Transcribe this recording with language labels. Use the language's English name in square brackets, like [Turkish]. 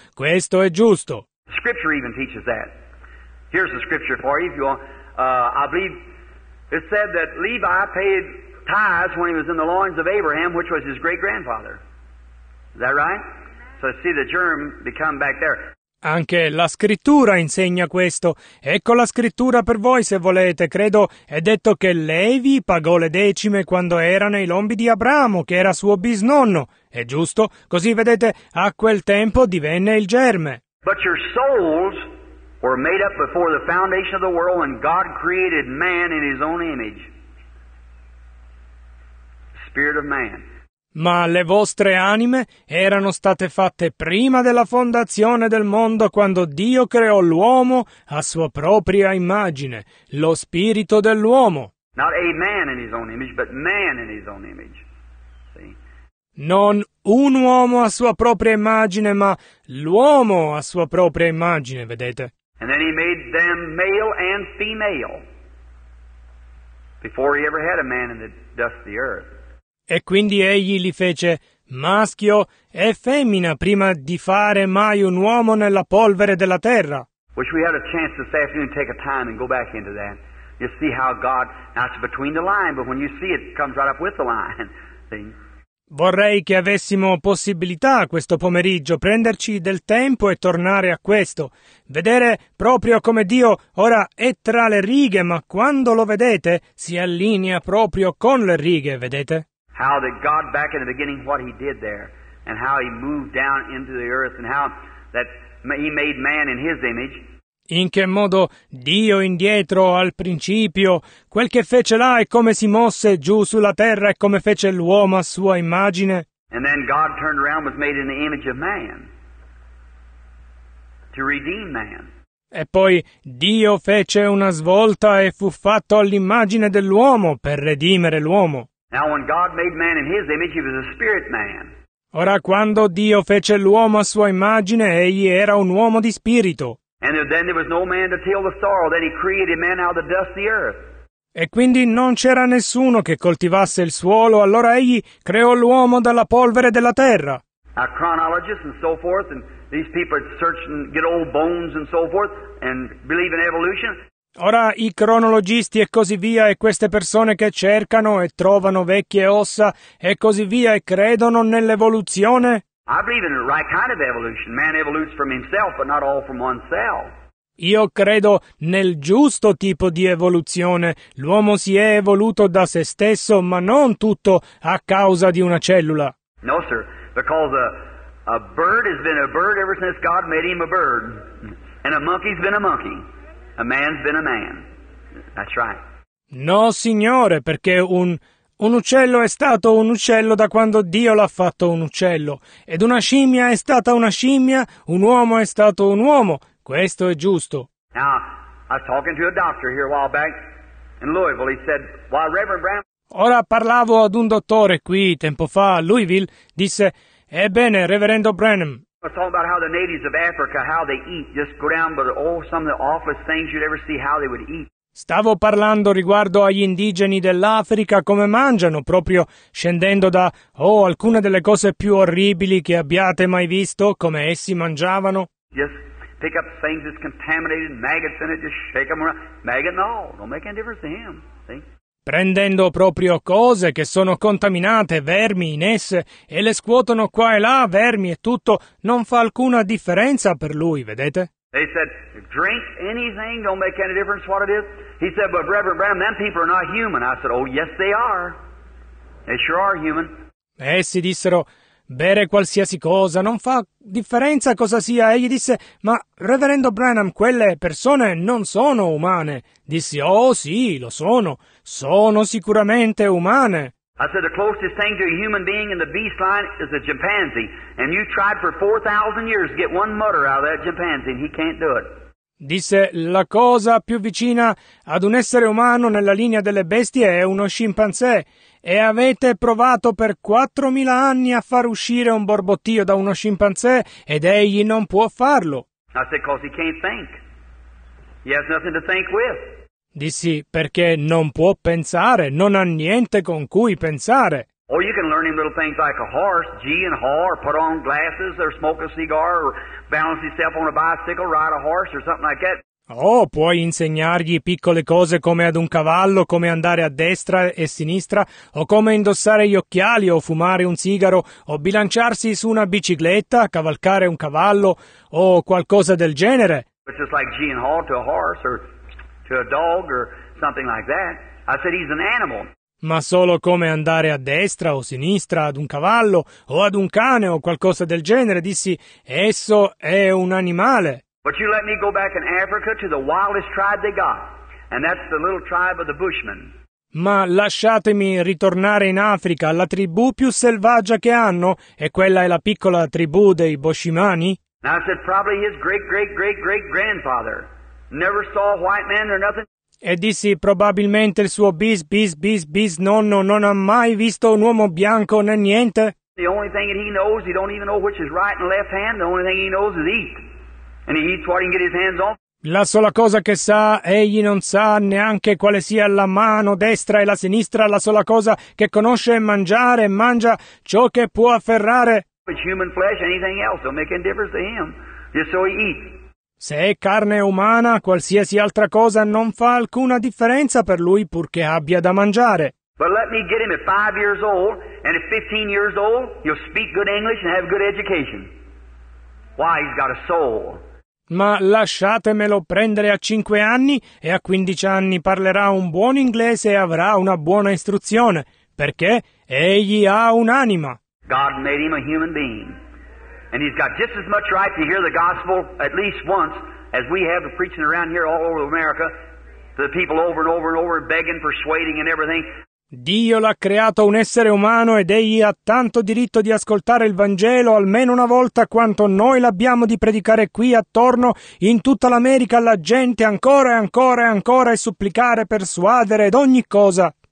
[Italian] Questo è giusto. [English] Scripture even teaches that. Here's the scripture for you, if you want. I believe it said that Levi paid tithes when he was in the loins of Abraham, which was his great-grandfather. Is that right? So see the germ become back there. [Italian] Anche la scrittura insegna questo. Ecco la scrittura per voi se volete. Credo è detto che Levi pagò le decime quando era nei lombi di Abramo, che era suo bisnonno. È giusto? Così vedete, a quel tempo divenne il germe. [English] But your souls were made up before the foundation of the world when God created man in his own image. Spirit of man. [Italian] Ma le vostre anime erano state fatte prima della fondazione del mondo quando Dio creò l'uomo a sua propria immagine, lo spirito dell'uomo. [English] Not a man in his own image, but man in his own image. See? [Italian] Non un uomo a sua propria immagine, ma l'uomo a sua propria immagine, vedete? [English] And then he made them male and female before he ever had a man in the dust of the earth. [Italian] E quindi egli li fece maschio e femmina prima di fare mai un uomo nella polvere della terra. [English] Wish we had a chance this afternoon to take a time and go back into that. You see how God, now it's between the line, but when you see it, it comes right up with the line. See? [Italian] Vorrei che avessimo possibilità questo pomeriggio prenderci del tempo e tornare a questo. Vedere proprio come Dio ora è tra le righe, ma quando lo vedete si allinea proprio con le righe, vedete? [English] How that God back in the beginning what he did there and how he moved down into the earth and how that he made man in his image. [Italian] In che modo Dio indietro al principio, quel che fece là e come si mosse giù sulla terra e come fece l'uomo a sua immagine. [English] And then God turned around and was made in the image of man to redeem man. [Italian] E poi Dio fece una svolta e fu fatto all'immagine dell'uomo per redimere l'uomo. [English] Now when God made man in his image, he was a spirit man. [Italian] Ora quando Dio fece l'uomo a sua immagine, egli era un uomo di spirito. [English] And then there was no man to till the soil. Then he created man out of the dust of the earth. [Italian] E quindi non c'era nessuno che coltivasse il suolo. Allora egli creò l'uomo dalla polvere della terra. [English] A chronologist and so forth, and these people search and get old bones and so forth, and believe in evolution. [Italian] Ora i cronologisti e così via e queste persone che cercano e trovano vecchie ossa e così via e credono nell'evoluzione. [English] I believe in the right kind of evolution. Man evolves from himself, but not all from one cell. [Italian] Io credo nel giusto tipo di evoluzione. L'uomo si è evoluto da se stesso, ma non tutto a causa di una cellula. [English] No, sir, because a bird has been a bird ever since God made him a bird. And a monkey's been a monkey. A man's been a man. That's right. [Italian] No, signore, perché un uccello è stato un uccello da quando Dio l'ha fatto un uccello. Ed una scimmia è stata una scimmia, un uomo è stato un uomo. Questo è giusto. [English] Now, I was talking to a doctor here a while back in Louisville. He said, while Reverend Branham... [Italian] Ora parlavo ad un dottore qui tempo fa a Louisville. Disse, ebbene, Reverendo Branham... [English] I was talking about how the natives of Africa, how they eat. Just go down by the, oh, some of the awful things you'd ever see, how they would eat. [Italian] Stavo parlando riguardo agli indigeni dell'Africa, come mangiano, proprio scendendo da alcune delle cose più orribili che abbiate mai visto, come essi mangiavano. [English] Yes, pick up things that's contaminated, maggots in it, just shake them around. Maggot, no, don't make any difference to him, see? [Italian] Prendendo proprio cose che sono contaminate, vermi in esse, e le scuotono qua e là, vermi e tutto, non fa alcuna differenza per lui, vedete? [English] They said, drink anything, don't make any difference what it is. He said, but Reverend Branham, them people are not human. I said, oh yes they are. They sure are human. [Italian] Essi dissero, bere qualsiasi cosa, non fa differenza cosa sia. Egli disse, ma Reverendo Branham, quelle persone non sono umane. Dissi, oh sì, lo sono. Sono sicuramente umane. [English] I said, the closest thing to a human being in the beast line is a chimpanzee. And you tried for 4,000 years to get one mutter out of that chimpanzee, and he can't do it. [Italian] Disse, la cosa più vicina ad un essere umano nella linea delle bestie è uno scimpanzé. E avete provato per 4,000 anni a far uscire un borbottio da uno scimpanzé, ed egli non può farlo. [English] I said, because he can't think. He has nothing to think with. [Italian] Dissi, perché non può pensare, non ha niente con cui pensare. [English] Or you can learn him little things like a horse, gee and haw, or put on glasses, or smoke a cigar, or balance himself on a bicycle, ride a horse, or something like that. [Italian] Oh, puoi insegnargli piccole cose come ad un cavallo, come andare a destra e sinistra, o come indossare gli occhiali, o fumare un sigaro, o bilanciarsi su una bicicletta, cavalcare un cavallo, o qualcosa del genere. [English] It's just like gee and haw to a horse, or to a dog or something like that. I said he's an animal. [Italian] Ma solo come andare a destra o sinistra ad un cavallo o ad un cane o qualcosa del genere, dissi, esso è un animale. [English] But you let me go back in Africa to the wildest tribe they got, and that's the little tribe of the Bushmen. [Italian] Ma lasciatemi ritornare in Africa alla tribù più selvaggia che hanno, e quella è la piccola tribù dei Bushmani. [English] I said probably his great great great great grandfather. Never saw a white man or nothing. [Italian] E dissi, probabilmente il suo bis nonno non ha mai visto un uomo bianco né niente. [English] The only thing that he knows, he don't even know which is right and left hand. The only thing he knows is eat. And he eats what he can get his hands on. [Italian] La sola cosa che sa, egli non sa neanche quale sia la mano destra e la sinistra. La sola cosa che conosce è mangiare, mangia ciò che può afferrare. [English] It's human flesh, anything else, don't make any difference to him. Just so he eats. [Italian] Se è carne umana, qualsiasi altra cosa non fa alcuna differenza per lui purché abbia da mangiare. [English] But let me get him at 5 years old, and at 15 years old, he'll speak good English and have good education. Why, he's got a soul. [Italian] Ma lasciatemelo prendere a 5 anni, e a 15 anni parlerà un buon inglese e avrà una buona istruzione, perché egli ha un'anima. [English] God made him a human being. And he's got just as much right to hear the gospel at least once as we have preaching around here all over America to the people over and over and over, begging, persuading and everything. [Italian] Dio l'ha creato un essere umano ed egli ha tanto diritto di ascoltare il Vangelo almeno una volta quanto noi l'abbiamo di predicare qui attorno in tutta l'America alla gente ancora e ancora e ancora e supplicare, persuadere ed ogni cosa.